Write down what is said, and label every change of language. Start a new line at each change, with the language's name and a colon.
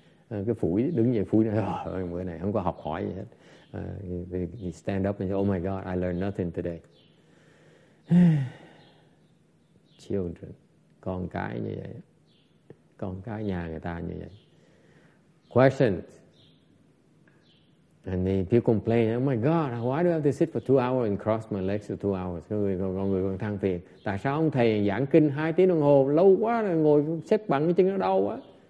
Vietnamese: Cái phủi, đứng dậy phủi, bữa này không có học hỏi gì hết.
English: He stand up and say, oh my God, I learned nothing today.
Vietnamese: Children, con cái như vậy. Con cái nhà người ta như vậy.
English: Questions. And the people complain, oh my God, why do I have to sit for 2 hours and cross my legs for 2 hours?
Vietnamese: Người còn than phiền. Tại sao ông thầy giảng kinh 2 tiếng đồng hồ, lâu quá rồi ngồi xếp bằng cái chân nó đau quá.